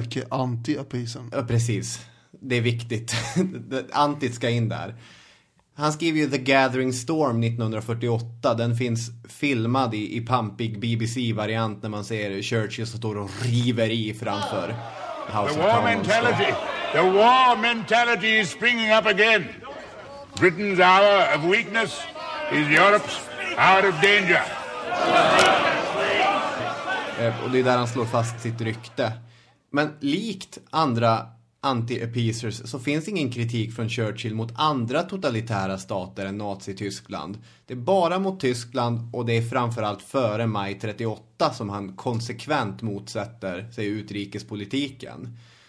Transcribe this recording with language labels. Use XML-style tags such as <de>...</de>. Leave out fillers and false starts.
<sv>Anti-appeasern. Precis, det är viktigt. Antit ska in där. Han skriver ju The Gathering Storm 1948. Den finns filmad i pampig BBC-variant när man ser Churchill som står och river i framför House</sv> <en>of Commons. Mentality. The war mentality is springing up again. Britain's hour of weakness is Europe's hour of danger.</en> <sv>Och det är där han slår fast sitt rykte. Men likt andra anti-appeasers så finns ingen kritik från Churchill mot andra totalitära stater än Nazi-Tyskland. Det är bara mot Tyskland och det är framförallt före maj 38 som han konsekvent motsätter sig utrikespolitiken.</sv>